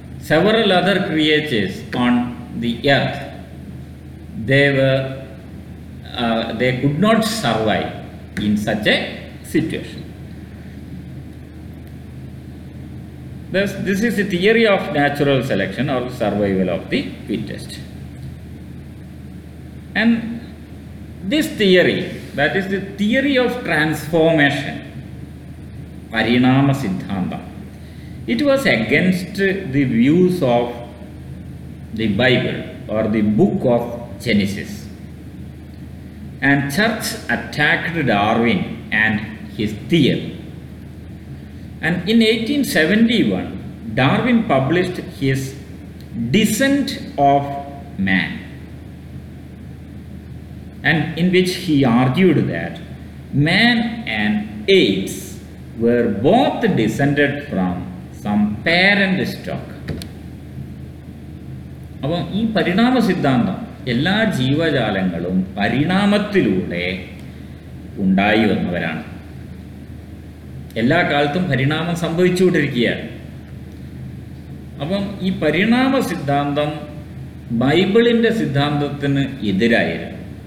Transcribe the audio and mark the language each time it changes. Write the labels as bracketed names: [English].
[English] Several other creatures on the earth, they could not survive in such a situation. Thus, this is the theory of natural selection or survival of the fittest. And this theory, that is the theory of transformation, Parinama Siddhanta, it was against the views of the Bible or the book of Genesis. And church attacked Darwin and his theory. And in 1871, Darwin published his Descent of Man, and in which he argued that man and apes were both descended from some parent stock. [Malayalam] അപ്പോൾ ഈ പരിണാമ സിദ്ധാന്തം എല്ലാ ജീവജാലങ്ങളും പരിണാമത്തിലൂടെ ഉണ്ടായി വന്നവരാണ്. എല്ലാ കാലത്തും പരിണാമം സംഭവിച്ചുകൊണ്ടിരിക്കുകയാണ്. അപ്പം ഈ പരിണാമ സിദ്ധാന്തം ബൈബിളിൻ്റെ സിദ്ധാന്തത്തിന് എതിരായിരുന്നു.